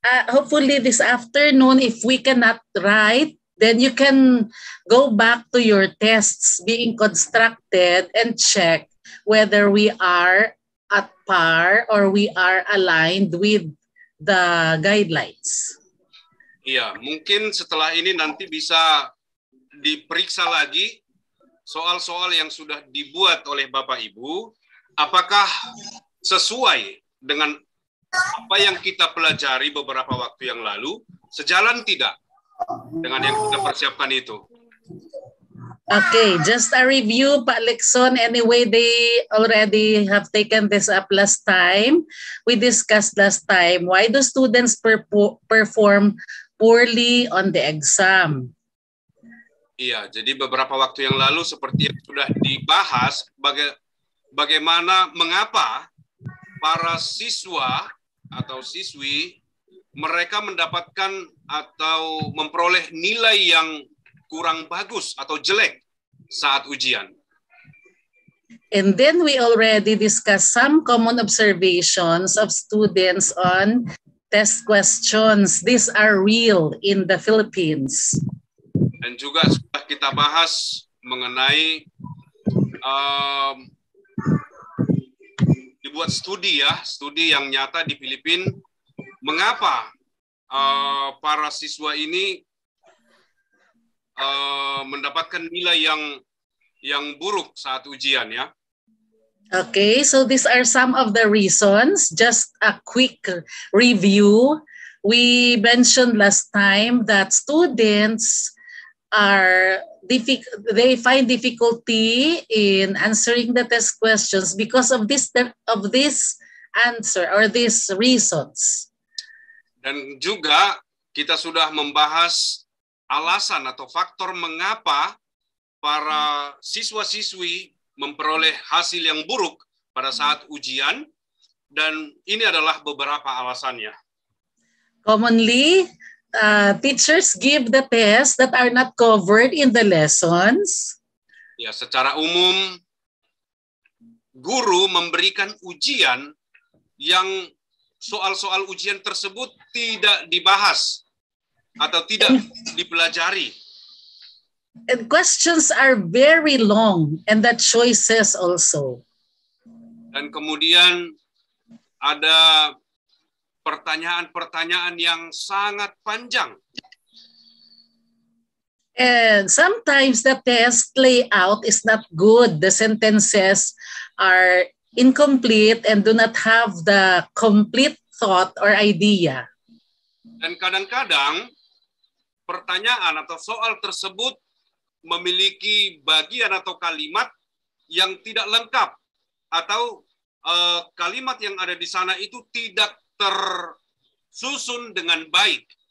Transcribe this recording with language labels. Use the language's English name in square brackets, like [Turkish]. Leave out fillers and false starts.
[English] Hopefully this afternoon, if we cannot write, then you can go back to your tests being constructed and check whether we are at par or we are aligned with the guidelines. [Indonesian] Iya, mungkin setelah ini nanti bisa diperiksa lagi soal-soal yang sudah dibuat oleh Bapak Ibu, apakah sesuai dengan apa yang kita pelajari beberapa waktu yang lalu, sejalan tidak dengan yang kita persiapkan itu? [English] Okay, just a review, Pak Lexon. Anyway, they already have taken this up last time. We discussed last time, why do students perform poorly on the exam? [Indonesian] Iya, jadi beberapa waktu yang lalu seperti yang sudah dibahas, bagaimana, mengapa para siswa atau siswi, mereka mendapatkan atau memperoleh nilai yang kurang bagus atau jelek saat ujian. [English] And then we already discussed some common observations of students on test questions. These are real in the Philippines. [Indonesian] Dan juga sudah kita bahas mengenai dibuat studi, ya, studi yang nyata di Filipina, mengapa para siswa ini mendapatkan nilai yang buruk saat ujian, ya. [English] Okay, so these are some of the reasons. Just a quick review. We mentioned last time that students are they find difficulty in answering the test questions because of this answer or these reasons. [Indonesian] Dan juga kita sudah membahas alasan atau faktor mengapa para siswa-siswi memperoleh hasil yang buruk pada saat ujian, dan ini adalah beberapa alasannya. [English] Commonly, teachers give the tests that are not covered in the lessons. [Indonesian] Ya, secara umum, guru memberikan ujian yang soal-soal ujian tersebut tidak dibahas atau tidak dipelajari. [English] And questions are very long, and the choices also. [Indonesian] Dan kemudian ada pertanyaan-pertanyaan yang sangat panjang. [English] And sometimes the test layout is not good. The sentences are incomplete and do not have the complete thought or idea. [Indonesian] Dan kadang-kadang pertanyaan atau soal tersebut memiliki bagian atau kalimat yang tidak lengkap, atau kalimat yang ada di sana itu tidak tersusun dengan baik.